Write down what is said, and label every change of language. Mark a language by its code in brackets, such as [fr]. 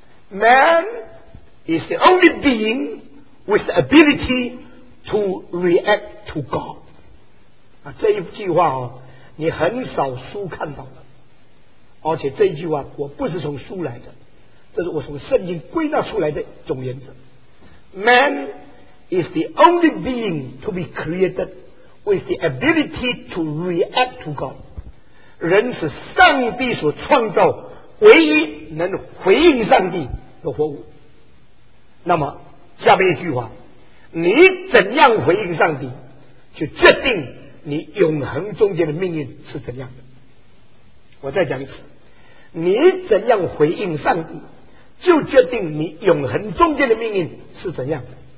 [en] Man is the only being with ability to react to God、 [zh] 啊、这一句话、哦、你很少书看到的，而且这一句话我不是从书来的，这是我从圣经归纳出来的总原则。 [en] Man is the only being to be created with the ability to react to God， [zh] 人是上帝所创造唯一能回应上帝的活物。那么下面一句话，你怎样回应上帝就决定你永恒中间的命运是怎样的。我再讲一次，你怎样回应上帝就决定你永恒中间的命运是怎样的。